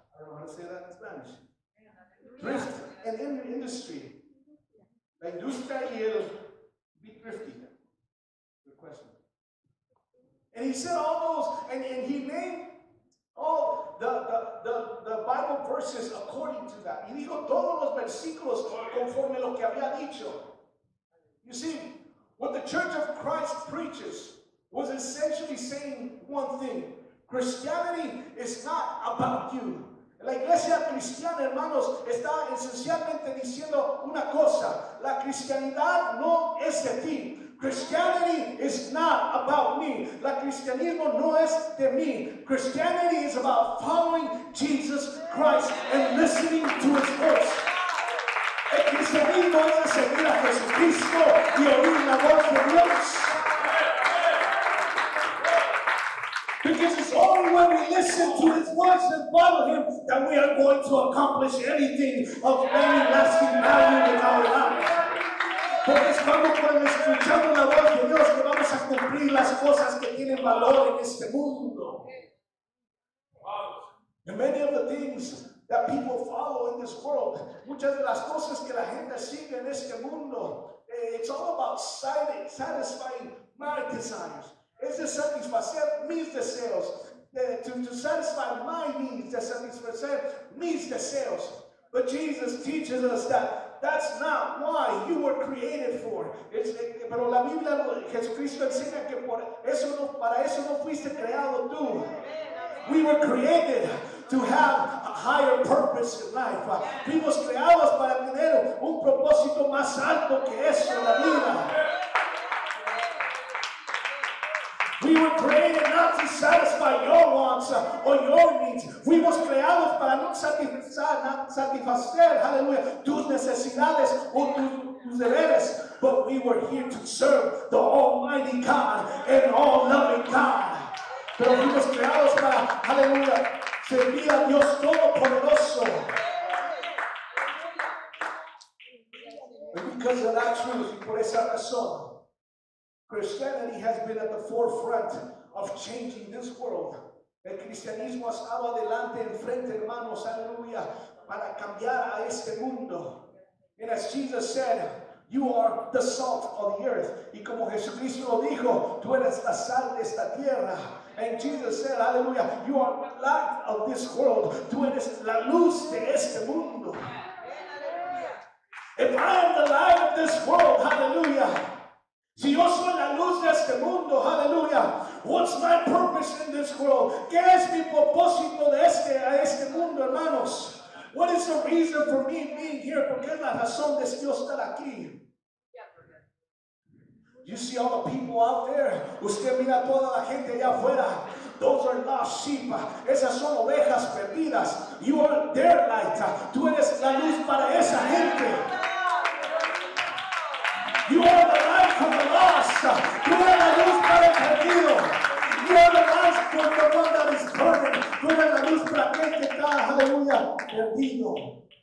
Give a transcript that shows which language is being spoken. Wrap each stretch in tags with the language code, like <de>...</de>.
<en>I don't know how to say that in Spanish. Thrift and industry.</en> <es>La industria y el</es> <en>be thrifty. Good question. And he said all those, and he named all the Bible verses according to that.</en> <es>Y dijo todos los versículos conforme lo que había dicho.</es> <en>You see, what the Church of Christ preaches was essentially saying one thing. Christianity is not about you.</en> <es>La iglesia cristiana, hermanos, está esencialmente diciendo una cosa. La cristianidad no es de ti.</es> <en>Christianity is not about me.</en> <es>La cristianismo no es de mí.</es> <en>Christianity is about following Jesus Christ and listening to his voice.</en> <es>El cristianismo es seguir a Jesucristo y oír la voz de Dios.</es> <en>Because it's only when we listen to his voice and follow him that we are going to accomplish anything of any lasting value in our lives.</en> <es>Porque es cuando escuchamos la voz de Dios que vamos a cumplir las cosas que tienen valor en este mundo.</es> <en>And many of the things that people follow in this world,</en> <es>muchas de las cosas que la gente sigue en este mundo,</es> <en>it's all about satisfying my desires.</en> <es>Es de satisfacer mis deseos,</es> <en>to satisfy my needs,</en> <es>de satisfacer mis deseos.</es> <en>But Jesus teaches us that that's not why you were created for.</en> <es>Pero la Biblia, Jesucristo enseña que por eso no, para eso no fuiste creado tú.</es> <en>We were created to have a higher purpose in life.</en> <es>Fuimos creados para tener un propósito más alto que eso en la vida.</es> <en>We were created not to satisfy your wants or your needs.</en> <es>Fuimos creados para no satisfacer, hallelujah, tus necesidades o tus deberes.</es> <en>But we were here to serve the Almighty God and all-loving God.</en> <es>Pero fuimos creados para, hallelujah, servir a Dios Todopoderoso.</es> <en>And because of that truth,</en> <es>por esa razón,</es> <en>Christianity has been at the forefront of changing this world.</en> <es>El cristianismo ha estado adelante, enfrente, hermanos, aleluya, para cambiar a este mundo.</es> <en>And as Jesus said, you are the salt of the earth.</en> <es>Y como Jesucristo lo dijo, tú eres la sal de esta tierra.</es> <en>And Jesus said, aleluya, you are the light of this world.</en> <es>Tú eres la luz de este mundo.</es> <en>If I am the light of this world, hallelujah.</en> <es>Si yo soy la luz de este mundo, hallelujah.</es> <en>What's my purpose in this world?</en> <es>¿Qué es mi propósito de este mundo, hermanos?</es> <en>What is the reason for me being here?</en> <es>¿Por qué es la razón de yo estar aquí?</es> <en>You see all the people out there?</en> <es>Usted mira toda la gente allá afuera.</es> <en>Those are lost sheep.</en> <es>Esas son ovejas perdidas.</es> <en>You are their light.</en> <es>Tú eres la luz para esa gente.</es> <en>You are the light for the lost.</en> <es>Tú eres la luz para el perdido.</es> <en>You are the light for the one that is burning.</en> <es>Tú eres la luz para aquel que está, aleluya, perdido.</es>